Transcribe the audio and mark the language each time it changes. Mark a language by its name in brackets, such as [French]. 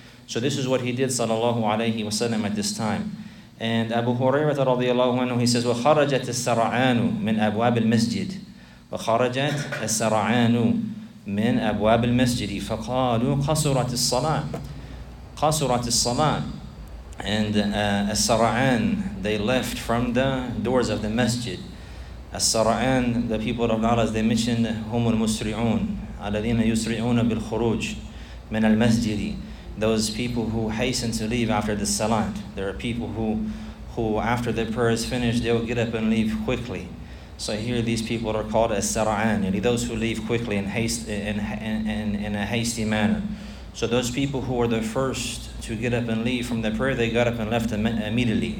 [English] So this is what he did sallallahu alayhi wa sallam at this time. And Abu Hurairah radiallahu anhu, he says, [Arabic] وَخَرَجَتْ السَّرَعَانُ مِنْ أَبْوَابِ الْمَسْجِدِ. وَخَرَجَتْ السَّرَعَانُ مِنْ أَبْوَابِ الْمَسْجِدِ فَقَالُوا قَصُرَتِ الصَّلَاةِ. قَصُرَتِ الصَّلَاةِ. [English] And السَّرَعَان, they left from the doors of the masjid. [Arabic] السَّرَعَان, [English] the people of Allah, they mentioned, [Arabic] هُمُ الْمُسْرِعُونَ الَّذِينَ يُسْرِعُونَ بِالْخُرُوجِ مِنَ الْمَسْجِدِ. [English] Those people who hasten to leave after the salat. There are people who after the prayer is finished, they will get up and leave quickly. So here these people are called as-sara'an, those who leave quickly and haste in a hasty manner. So those people who were the first to get up and leave from the prayer, they got up and left immediately.